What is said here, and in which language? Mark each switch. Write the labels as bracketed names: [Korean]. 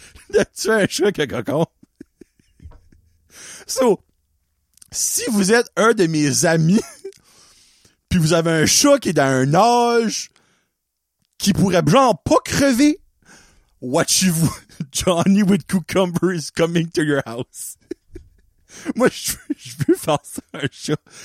[French] De tuer un chat avec un cocon. So, si vous êtes un de mes amis, puis vous avez un chat qui est dans un âge qui pourrait genre pas crever, watchez-vous. [English] Johnny with cucumber is coming to your house. [French] Moi, je veux faire ça à un chat.